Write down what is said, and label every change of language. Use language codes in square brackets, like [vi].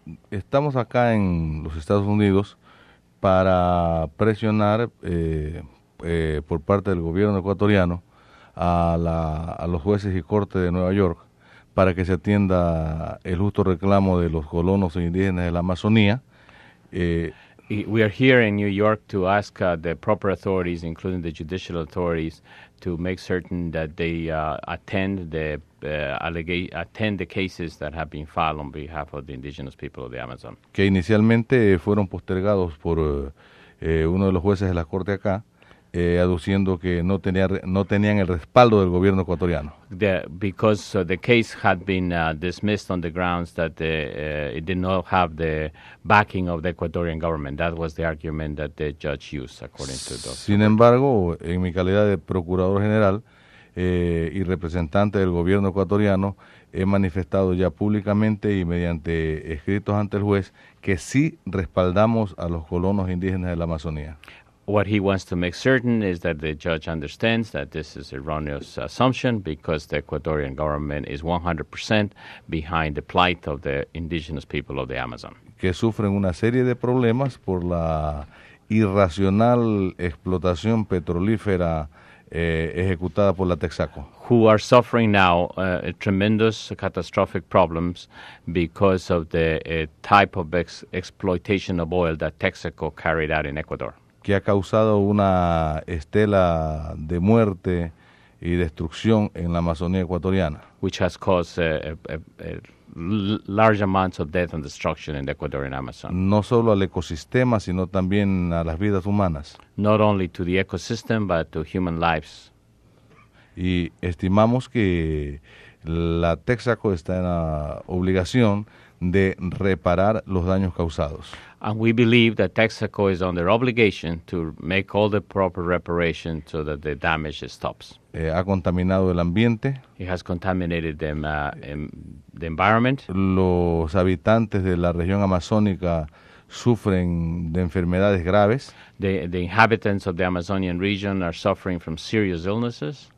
[es] Estamos acá en los Estados Unidos para presionar por parte del gobierno ecuatoriano a los jueces y corte de Nueva York para que se atienda el justo reclamo de los colonos e indígenas de la Amazonía. [en] We are here in New York to ask the proper authorities, including the judicial authorities, to make certain that they attend the cases that have been filed on behalf of the indigenous people of the Amazon. [es] Que inicialmente fueron postergados por uno de los jueces de la corte acá, aduciendo que no tenían el respaldo del gobierno ecuatoriano. [en] Because the case had been dismissed on the grounds that it did not have the backing of the Ecuadorian government. That was the argument that the judge used, according to those. [es] Sin embargo, en mi calidad de procurador general y representante del gobierno ecuatoriano, he manifestado ya públicamente y mediante escritos ante el juez que sí respaldamos a los colonos indígenas de la Amazonía. [en] What he wants to make certain is that the judge understands that this is an erroneous assumption because the Ecuadorian government is 100% behind the plight of the indigenous people of the Amazon. [es] Que sufren una serie de problemas por la irracional explotación petrolífera ejecutada por la Texaco. [en] Who are suffering now tremendous catastrophic problems because of the type of exploitation of oil that Texaco carried out in Ecuador. [es] Que ha causado una estela de muerte y destrucción en la Amazonía ecuatoriana. [en] Which has caused large amounts of death and destruction in the Ecuadorian Amazon. [es] No solo al ecosistema, sino también a las vidas humanas. [en] Not only to the ecosystem, but to human lives. [es] Y estimamos que la Texaco está en la obligación de reparar los daños causados. [en] And we believe that Texaco is under obligation to make all the proper reparation so that the damage stops. [es] Ha contaminado el ambiente. [en] It has contaminated the environment. [es] Los habitantes de la región amazónica sufren de enfermedades graves. [en] The inhabitants of the Amazonian region are suffering from serious illnesses.